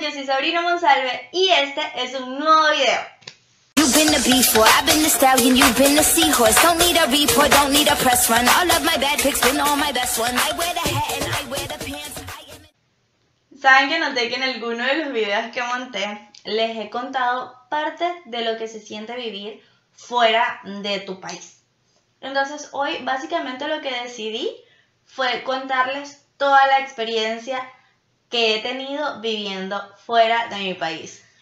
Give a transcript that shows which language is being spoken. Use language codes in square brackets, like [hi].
[es] Yo soy Sabrina Monsalve y este es un nuevo video. [en] You've been the beef boy, I've been the stallion, you've been the seahorse. Don't need a report, don't need a press run. All of my bad pics been all my best ones. I wear the hat and I wear the pants. [es] ¿Saben que noté que en alguno de los videos que monté les he contado parte de lo que se siente vivir fuera de tu país? Entonces hoy básicamente lo que decidí fue contarles toda la experiencia que he tenido viviendo fuera de mi país.